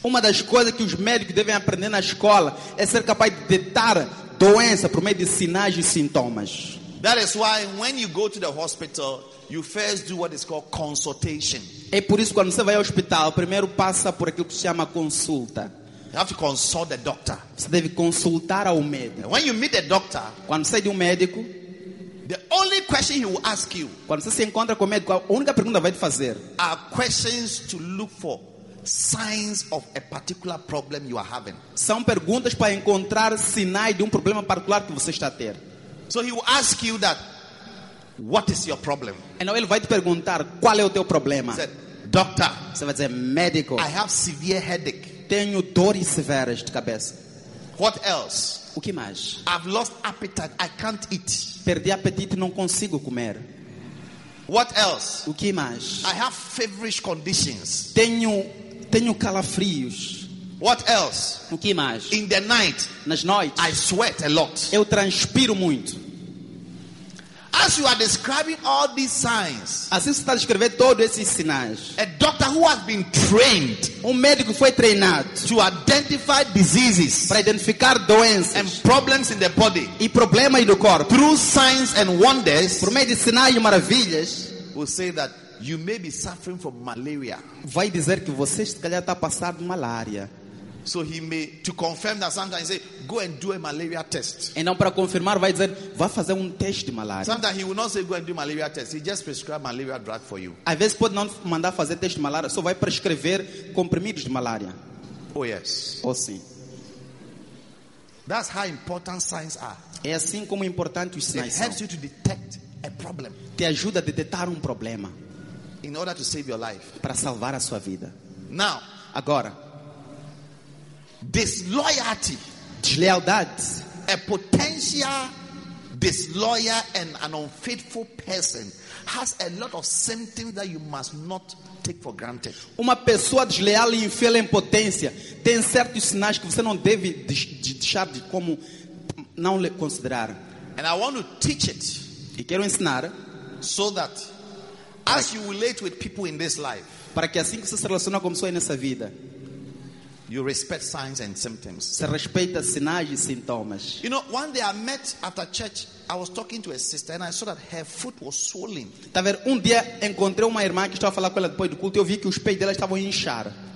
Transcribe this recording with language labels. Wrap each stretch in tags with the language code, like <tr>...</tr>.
<pt>Uma das coisas que os médicos devem aprender na escola é ser capaz de detectar doença por meio de sinais e sintomas.</pt> <en>That is why when you go to the hospital, you first do what is called consultation.</en> <pt>É por isso que quando você vai ao hospital, primeiro passa por aquilo que se chama consulta.</pt> <en>You have to consult the doctor.</en> <pt>Você deve consultar ao médico.</pt> <en>When you meet the doctor,</en> <pt>quando sai de médico,</pt> <en>the only question he will ask you.</en> <pt>Quando você se encontra com o médico, a única pergunta vai te fazer.</pt> <en>Are questions to look for signs of a particular problem you are having.</en> <pt>São perguntas para encontrar sinais de problema particular que você está a ter.</pt> <en>So he will ask you that, what is your problem?</en> <pt>Então ele vai te perguntar qual é o teu problema.</pt> <en>Said, doctor.</en> <pt>Você vai dizer, médico.</pt> <en>I have severe headache.</en> <pt>Tenho dores severas de cabeça.</pt> <en>What else?</en> <pt>O que mais?</pt> <en>I've lost appetite. I can't eat.</en> <pt>Perdi apetite, não consigo comer.</pt> <en>What else?</en> <pt>O que mais?</pt> <en>I have feverish conditions.</en> <pt>Tenho calafrios.</pt> <en>What else?</en> <pt>O que mais?</pt> <en>In the night,</en> <pt>nas noites,</pt> <en>I sweat a lot.</en> <pt>Eu transpiro muito.</pt> <en>As you are describing all these signs,</en> <pt>assim você está descrevendo todos esses sinais,</pt> <en>a doctor who has been trained,</en> <pt>médico foi treinado,</pt> <en>to identify diseases,</en> <pt>para identificar doenças,</pt> <en>and problems in the body,</en> <pt>e problemas no corpo,</pt> <en>through signs and wonders,</en> <pt>por meio de sinais e maravilhas,</pt> <en>will say that you may be suffering from malaria.</en> <pt>Vai dizer que você se calhar está passando malária.</pt> <en>So he may to confirm that sometimes he say go and do a malaria test.</en> <pt>E não para confirmar vai dizer vá fazer teste de malária.</pt> <en>Sometimes he will not say go and do malaria test. He just prescribe malaria drug for you.</en> <pt>Às vezes pode não mandar fazer teste de malária, só vai prescrever comprimidos de malária.</pt> <en>Oh yes.</en> <pt>Oh sim.</pt> <en>That's how important signs are.</en> <pt>É assim como importante os sinais.</pt> <en>It helps you to detect a problem.</en> <pt>Te ajuda a detectar problema.</pt> <en>In order to save your life.</en> <pt>Para salvar a sua vida.</pt> <en>Now,</en> <pt>agora.</pt> <en>Disloyalty,</en> <pt>deslealdade,</pt> <en>a potential disloyal and an unfaithful person has a lot of symptoms that you must not take for granted.</en> <pt>Uma pessoa desleal e infiel em potência tem certos sinais que você não deve deixar de como não lhe considerar.</pt> <en>And I want to teach it.</en> <pt>E quero ensinar,</pt> <en>so that as you relate with people in this life,</en> <pt>para que assim que você se relaciona com pessoas nessa vida.</pt> <en>You respect signs and symptoms.</en> <pt>Se respeita sinais e sintomas.</pt> <en>You know, one day I met after church. I was talking to a sister and I saw that her foot was swollen.</en> <pt>Talvez dia encontrei uma irmã que estava a falar com ela depois do culto e eu vi que os pés dela estavam a inchar.</pt>